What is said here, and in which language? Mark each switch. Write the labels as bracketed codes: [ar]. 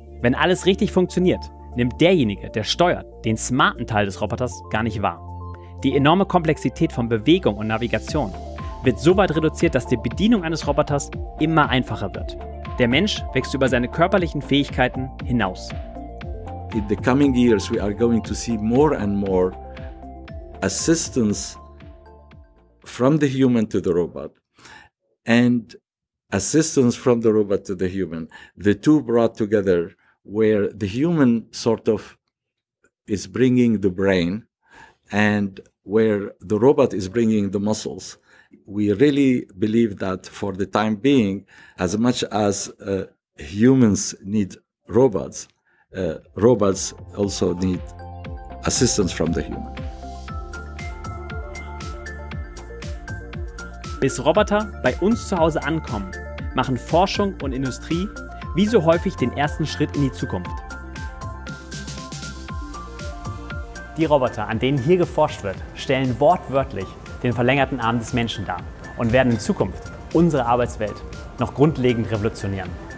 [de] Wenn alles richtig funktioniert, nimmt derjenige, der steuert, den smarten Teil des Roboters gar nicht wahr. Die enorme Komplexität von Bewegung und Navigation wird so weit reduziert, dass die Bedienung eines Roboters immer einfacher wird. Der Mensch wächst über seine körperlichen Fähigkeiten hinaus. [en] In the coming years we are going to see more and more assistance from the human to the robot and assistance from the robot to the human. The two brought together, where the human sort of is bringing the brain and where the robot is bringing the muscles. We really believe that for the time being, as much as humans need robots, robots also need assistance from the human. [de] Bis Roboter bei uns zu Hause ankommen, machen Forschung und Industrie wie so häufig den ersten Schritt in die Zukunft. Die Roboter, an denen hier geforscht wird, stellen wortwörtlich den verlängerten Arm des Menschen dar und werden in Zukunft unsere Arbeitswelt noch grundlegend revolutionieren.